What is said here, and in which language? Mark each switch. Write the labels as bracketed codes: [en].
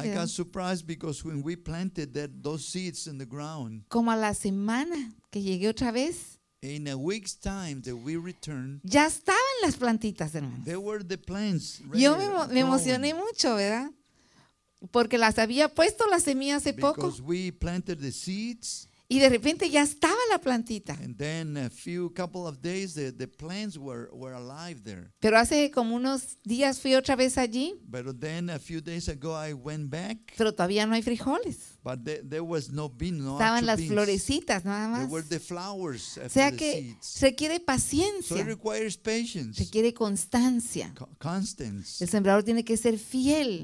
[en] I got surprised because when we planted those seeds in the ground, [es] como a la semana que llegué otra vez, [en] in a week's time that we returned, [es] ya estaban las plantitas, hermanos. [en] There were the plants. [es] Yo me emocioné mucho, ¿verdad? Porque las había puesto las semillas hace poco. [en] Because we planted the seeds. [es] Y de repente ya estaba la plantita. [en] And then a few couple of days the plants were alive there. [es] Pero hace como unos días fui otra vez allí. [en] But then a few days ago I went back. [es] Pero todavía no hay frijoles. [en] But there was no bean, no [es] estaban [en] beans. [es] Las florecitas nada más. [en] There were the flowers. [es] O sea que [en] seeds. [es] Requiere paciencia. [en] So it requires patience. [es] Requiere constancia. [en] Constance. [es] El sembrador tiene que ser fiel.